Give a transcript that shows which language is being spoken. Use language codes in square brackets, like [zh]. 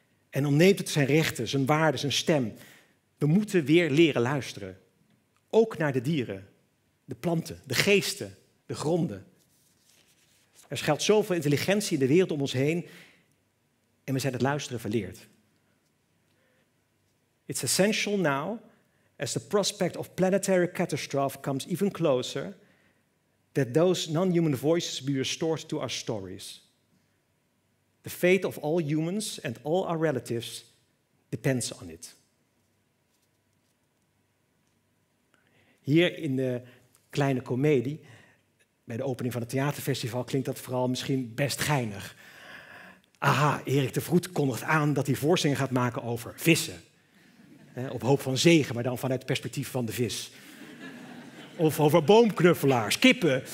[nl] En ontneemt het zijn rechten, zijn waarden, zijn stem. We moeten weer leren luisteren. Ook naar de dieren. De planten, de geesten, de gronden. Er schuilt zoveel intelligentie in de wereld om ons heen en we zijn het luisteren verleerd. [en] It's essential now, as the prospect of planetary catastrophe comes even closer, that those non-human voices be restored to our stories. The fate of all humans and all our relatives depends on it. [nl] Hier in de Kleine Komedie, bij de opening van het theaterfestival, klinkt dat vooral misschien best geinig. Aha, Erik de Vroet kondigt aan dat hij voorstellingen gaat maken over vissen. Op hoop van zegen, maar dan vanuit het perspectief van de vis. Of over boomknuffelaars, kippen.